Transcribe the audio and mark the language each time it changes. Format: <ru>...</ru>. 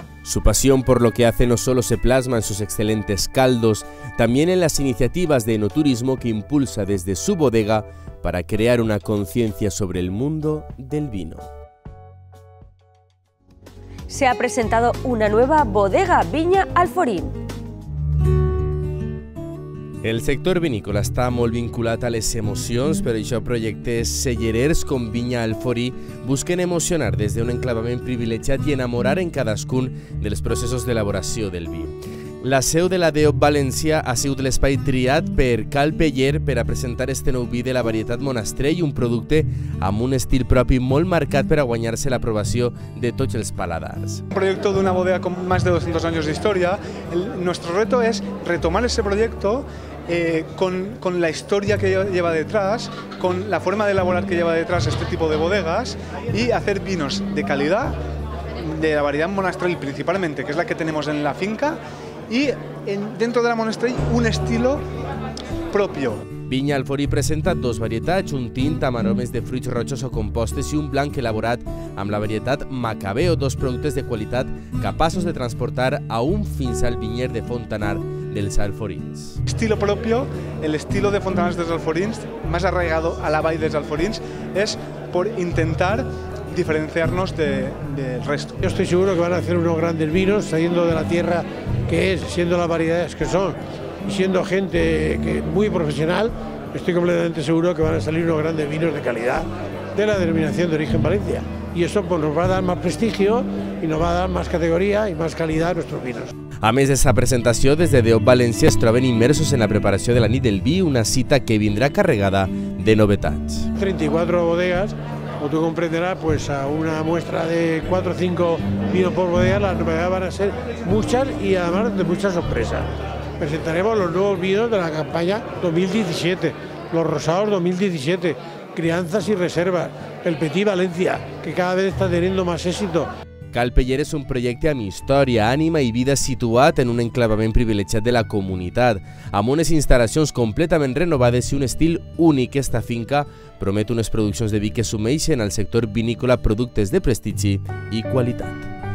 <es>Su pasión por lo que hace no solo se plasma en sus excelentes caldos, también en las iniciativas de enoturismo que impulsa desde su bodega para crear una conciencia sobre el mundo del vino. se ha presentado una nueva bodega, Viña Alforín.</es> <ca>El sector vinícola está molt vinculat a les emocions, però això projecte Cellerers con Viña Alforí busquen emocionar des d'un enclavament privilegiat i enamorar en cadascun dels processos d'elaboració del vi. La seu de la DEOP València ha sigut l'espai triat per Cal Peller per a presentar este nou vi de la varietat Monastrell, un producte amb un estil propi molt marcat per a guanyar-se l'aprovació de tots els paladars. Un projecte d'una bodega amb més de 200 anys d'història. El nostre reto és retomar aquest projecte</ca> <es>con la historia que lleva detrás, con la forma de elaborar que lleva detrás este tipo de bodegas y hacer vinos de calidad, de la variedad Monastrell principalmente, que es la que tenemos en la finca, y dentro de la Monastrell un estilo propio.</es> <ca>Viña Alforí presenta dos varietats, un tint amb aromes de fruits rojos o compostes i un blanc elaborat amb la varietat Macabeo, dos productes de qualitat capaços de transportar a un fins al vinyer de Fontanar dels Alforins.</ca> <es>Estilo propio, el estilo de Fontanar dels Alforins, más arraigado a la vall dels Alforins, es por intentar diferenciarnos del resto. Yo estoy seguro que van a hacer unos grandes vinos saliendo de la tierra que es, siendo las variedades que son. Y siendo gente que muy profesional, estoy completamente seguro que van a salir unos grandes vinos de calidad de la denominación de origen Valencia. Y eso pues, nos va a dar más prestigio y nos va a dar más categoría y más calidad a nuestros vinos.</es> <ca>A més d'esta presentació, des de DEOP València es troben immersos en la preparació de la nit del vi, una cita que vindrà carregada de novetats.</ca> <es>34 bodegas, como tú comprenderás, pues a una muestra de 4 o 5 vinos por bodega, las novedades van a ser muchas y además de muchas sorpresas. Presentaremos los nuevos vinos de la campaña 2017, los rosados 2017, crianzas y reservas, el Petit Valencia, que cada vez está teniendo más éxito.</es> <ca>Cal Peller és un projecte amb història, ànima i vida situat en un enclavament privilegiat de la comunitat. Amb unes instal·lacions completament renovades i un estil únic, esta finca promet unes produccions de vi que sumeixen al sector vinícola productes de prestigi i qualitat.</ca>